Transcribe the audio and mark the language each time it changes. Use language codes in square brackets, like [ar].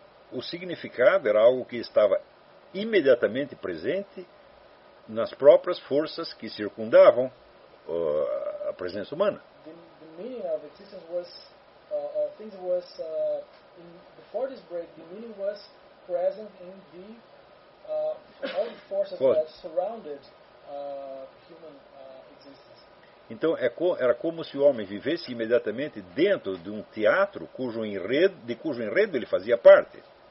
[pt] o significado era algo que estava imediatamente presente nas próprias forças que circundavam a presença humana. [en] The meaning of existence was things was in, before this break, the meaning was present in the all the forces that surrounded human existence. [pt] Então era como se o homem vivesse imediatamente dentro de um teatro cujo enredo ele fazia parte.